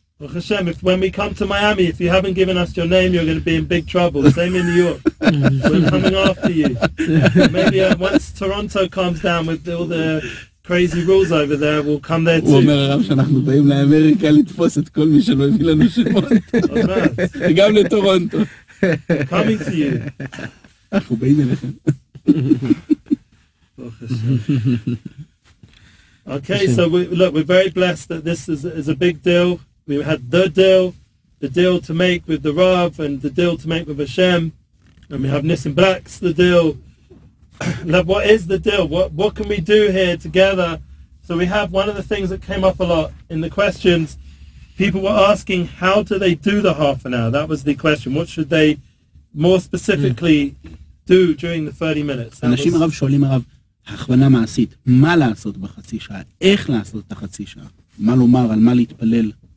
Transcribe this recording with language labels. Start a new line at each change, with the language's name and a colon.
English: Well, Hashem, if when we come to Miami, if you haven't given us your name, you're going to be in big trouble. Same in New York. We're coming after you. Maybe once Toronto calms down with all the crazy rules over there, we'll come there too.
Hebrew: הוא אומר הרב שאנחנו באים לאמריקה לתפוס את כל מי שלא הביא לנו שמות. וגם לטורונטו.
English: Coming to you.
Hebrew: אנחנו באים אליכם.
English: Okay, so we're very blessed that this is a big deal. We had the deal to make with the Rav and the deal to make with Hashem. And we have Nissen Black's the deal. Like, what is the deal? What can we do here together? So we have one of the things that came up a lot in the questions. People were asking, how do they do the half an hour? That was the question. What should they more specifically do during the 30 minutes?
Hebrew: הכוונה מעשית, מה לעשות בחצי שעה, איך לעשות את החצי שעה, מה לומר, על מה להתפלל.